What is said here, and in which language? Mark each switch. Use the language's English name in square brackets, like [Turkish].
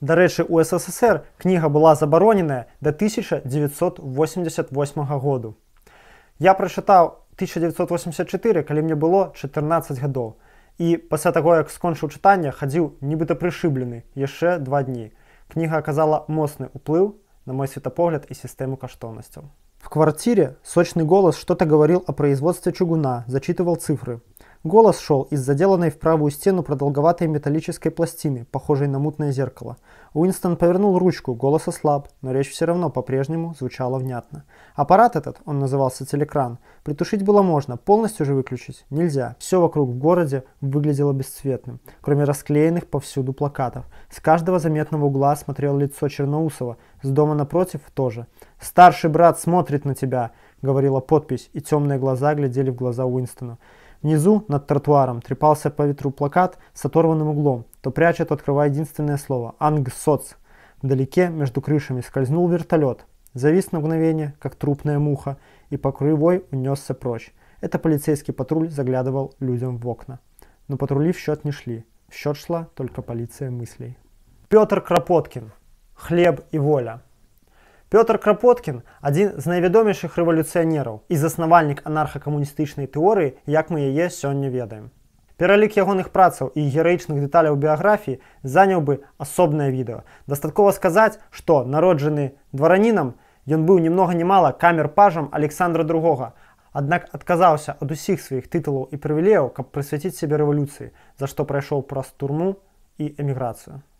[Belarusian] Дарэчы, у СССР кніга была забароненая да 1988 году. Я прачытаў 1984, калі мне было 14 гадоў. І пасля таго, як скончыў чытанне, хадзіў нібыта прышыблены яшчэ 2 дні. Кніга аказала моцны ўплыў на мой светапогляд і сістэму каштоўнасцяў. [Russian] В квартире сочный голос что-то говорил о производстве чугуна, зачитывал цифры. Голос шел из заделанной в правую стену продолговатой металлической пластины, похожей на мутное зеркало. Уинстон повернул ручку, голос ослаб, но речь все равно по-прежнему звучала внятно. Аппарат этот, он назывался телекран, притушить было можно, полностью же выключить нельзя. Все вокруг в городе выглядело бесцветным, кроме расклеенных повсюду плакатов. С каждого заметного угла смотрело лицо Черноусова, с дома напротив тоже. «Старший брат смотрит на тебя», — говорила подпись, и темные глаза глядели в глаза Уинстону. Внизу, над тротуаром, трепался по ветру плакат с оторванным углом, то пряча, то открывая единственное слово «Ангсоц». Вдалеке, между крышами, скользнул вертолет. Завис на мгновение, как трупная муха, и по краевой унесся прочь. Это полицейский патруль заглядывал людям в окна. Но патрули в счет не шли. В счет шла только полиция мыслей. Петр Кропоткин. «Хлеб и воля». [Belarusian] Пётр Кропоткін – адзін з найвядомейшых рэвалюцыянераў і заснавальнік анархакамуністычнай тэорыі, як мы яе сёння ведаем. Пералік ягоных працаў і гераічных дэталяў біяграфіі заняў бы асобнае відэа. Дастаткова сказаць, што народжаны дваранінам, ён быў ні многа ні мала камер-пажам Александра II, аднак адказаўся ад усіх сваіх тытулаў і прывілеяў, каб прысвяціць сябе рэвалюцыі, за што прайшоў праз турму і эміграцыю.